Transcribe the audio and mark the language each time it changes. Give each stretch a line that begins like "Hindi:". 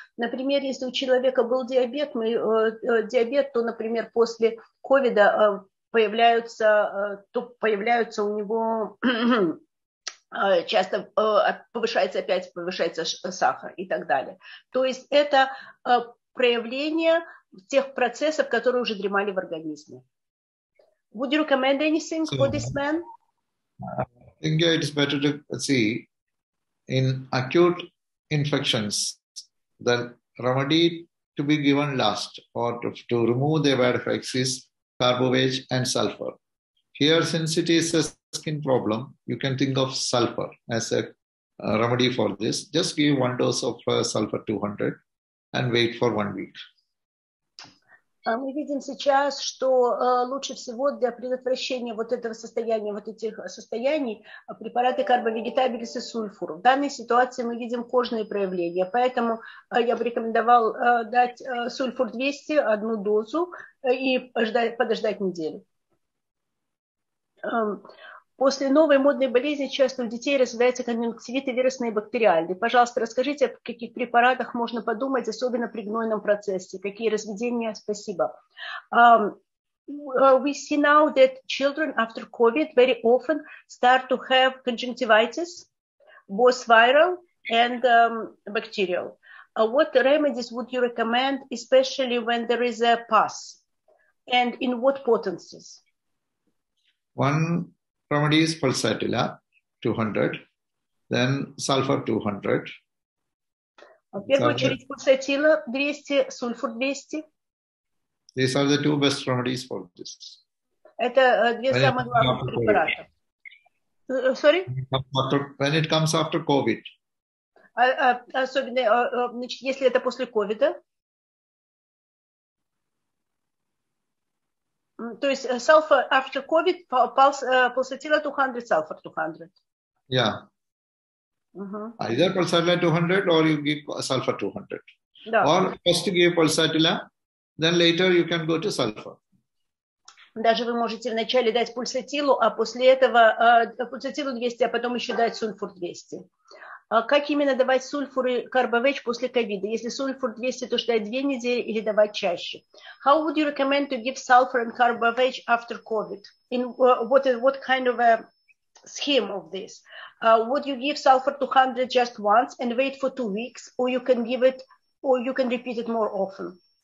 Russian: Например, если у человека был диабет, то, например, после ковида появляются у него часто повышается сахар и так далее. То есть это проявление тех процессов, которые уже дремали в организме.
English: Would you recommend anything for this man? I think it is better to see in acute infections the remedy to be given last or to remove the bad effects is carbovage and sulfur. Here, since it is a skin problem, you can think of sulfur as a remedy for this. Just give one dose of sulfur 200 and wait for 1 week.
Russian: Мы видим сейчас, что лучше всего для предотвращения вот этого состояния, вот этих состояний, препараты карбовегетабилис и сульфур. В данной ситуации мы видим кожные проявления, поэтому я бы рекомендовал дать сульфур 200, одну дозу, и подождать неделю. После новой модной болезни часто у детей развивается конъюнктивит и вирусные бактериальные. Пожалуйста, расскажите, о каких препаратах можно подумать, особенно при гнойном процессе. Какие разведения? Спасибо.
English: We see now that children after COVID very often start to have conjunctivitis, both viral and bacterial. What remedies would you recommend, especially when there is a pus? And in what potencies? Remedy is pulsatilla 200, then sulfur 200. Pulsatilla 200, sulfur 200. These are the two best remedies for this.
Russian: Это две самых главных препарата.
English: Sorry? When it comes after COVID.
Russian: Особенно, значит, если это после ковида. То есть
English: sulfur after COVID, pulsatilla 200, sulfur 200. Yeah. Uh-huh. Either pulsatilla 200 or you give sulfur 200.
Russian: Да.
English: Or first give pulsatilla, then later you can go to sulfur.
Russian: Даже вы можете вначале дать пульсатилу, а после этого пульсатилу 200, а потом еще дать сульфур 200. Как именно давать сульфур и карбовеч после ковида? Если сульфур 200, то ждать 2 недели или давать чаще?
English: How would you recommend to give sulfur and carbovech after COVID? In what kind of a scheme of this? Would you give sulfur 200 just once and wait for 2 weeks, or you can give it, or you can repeat it more often?